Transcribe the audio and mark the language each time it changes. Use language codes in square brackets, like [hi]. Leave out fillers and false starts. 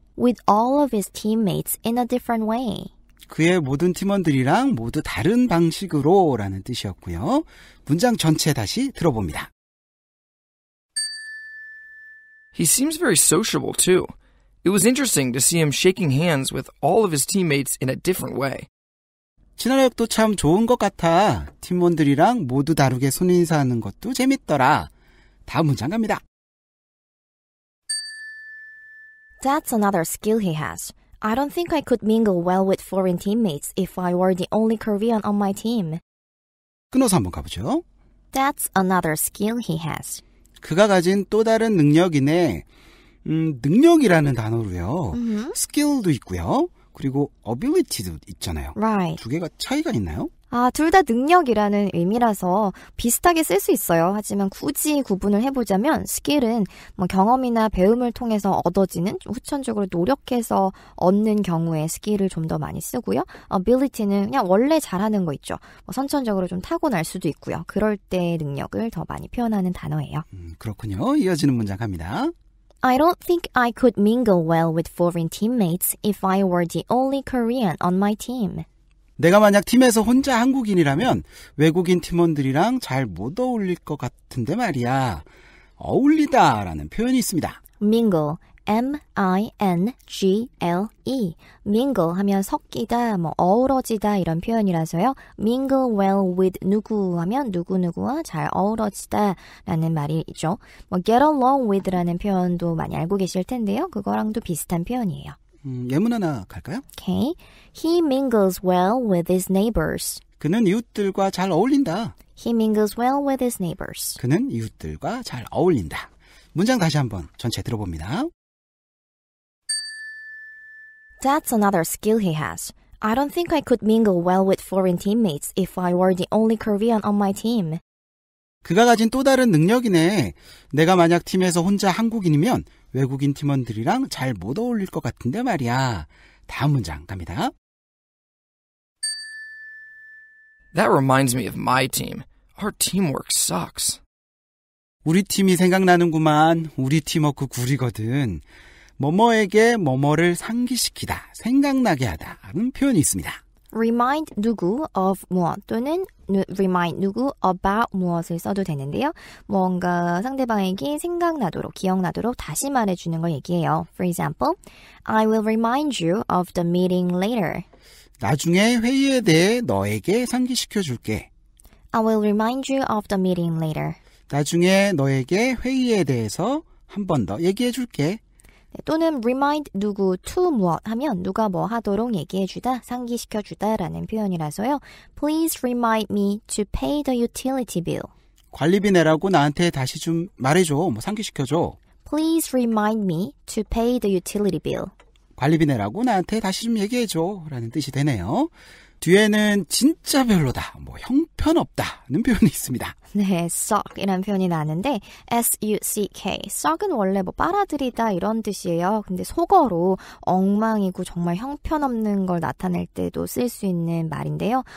[en] With all of his teammates in a different way. [ko] 그의 모든 팀원들이랑 모두 다른 방식으로 라는 뜻이었고요. 문장 전체 다시 들어봅니다. [en] He seems very sociable too. It was interesting to see him shaking hands with all of his teammates in a different way. [ko] 친화력도 참 좋은 것 같아. 팀원들이랑 모두 다르게 손 인사하는 것도 재밌더라. 다음 문장 갑니다. [en] That's another skill he has. I don't think I could mingle well with foreign teammates if I were the only Korean on my team. [ko] 끊어서 한번 가보죠. [en] That's another skill he has. [ko] 그가 가진 또 다른 능력이네. 능력이라는 단어로요. Mm-hmm. skill도 있고요. 그리고 ability도 있잖아요. [en] Right. [ko] 두 개가 차이가 있나요? 아, 둘 다 능력이라는 의미라서 비슷하게 쓸 수 있어요. 하지만 굳이 구분을 해보자면 skill은 뭐 경험이나 배움을 통해서 얻어지는 후천적으로 노력해서 얻는 경우에 skill을 좀 더 많이 쓰고요. ability는 그냥 원래 잘하는 거 있죠. 뭐 선천적으로 좀 타고날 수도 있고요. 그럴 때 능력을 더 많이 표현하는 단어예요. 그렇군요. 이어지는 문장 갑니다. [en] I don't think I could mingle well with foreign teammates if I were the only Korean on my team. [ko] 내가 만약 팀에서 혼자 한국인이라면 외국인 팀원들이랑 잘 못 어울릴 것 같은데 말이야. 어울리다 라는 표현이 있습니다. [en] Mingle, M-I-N-G-L-E. [ko] Mingle 하면 섞이다, 뭐 어우러지다 이런 표현이라서요. Mingle well with 누구 하면 누구누구와 잘 어우러지다 라는 말이죠. 뭐 get along with 라는 표현도 많이 알고 계실 텐데요. 그거랑도 비슷한 표현이에요. 예문 하나 갈까요? [en] Okay. He mingles well with his neighbors. [ko] 그는 이웃들과 잘 어울린다. [en] He mingles well with his neighbors. [ko] 그는 이웃들과 잘 어울린다. 문장 다시 한번 전체 들어봅니다. [en] That's another skill he has. I don't think I could mingle well with foreign teammates if I were the only Korean on my team. [ko] 그가 가진 또 다른 능력이네. 내가 만약 팀에서 혼자 한국인이면 외국인 팀원들이랑 잘 못 어울릴 것 같은데 말이야. 다음 문장 갑니다. [en] That reminds me of my team. Our teamwork sucks. [ko] 우리 팀이 생각나는구만. 우리 팀워크 구리거든. 뭐뭐에게 뭐뭐를 상기시키다, 생각나게 하다 라는 표현이 있습니다. Remind 누구 of 무엇 또는 remind 누구 about 무엇을 써도 되는데요. 뭔가 상대방에게 생각나도록, 기억나도록 다시 말해주는 걸 얘기해요. [en] For example, I will remind you of the meeting later. [ko] 나중에 회의에 대해 너에게 상기시켜줄게. [en] I will remind you of the meeting later. [ko] 나중에 너에게 회의에 대해서 한 번 더 얘기해줄게. 또는 remind 누구 to 무엇 하면 누가 뭐 하도록 얘기해주다, 상기시켜주다 라는 표현이라서요. [en] Please remind me to pay the utility bill. [ko] 관리비 내라고 나한테 다시 좀 말해줘, 뭐 상기시켜줘. [en] Please remind me to pay the utility bill. [ko] 관리비 내라고 나한테 다시 좀 얘기해줘 라는 뜻이 되네요. 뒤에는 진짜 별로다, 뭐 형편없다는 표현이 있습니다. 네, suck이라는 표현이 나는데 S-U-C-K, suck은 원래 뭐 빨아들이다 이런 뜻이에요. 근데 속어로 엉망이고 정말 형편없는 걸 나타낼 때도 쓸 수 있는 말인데요.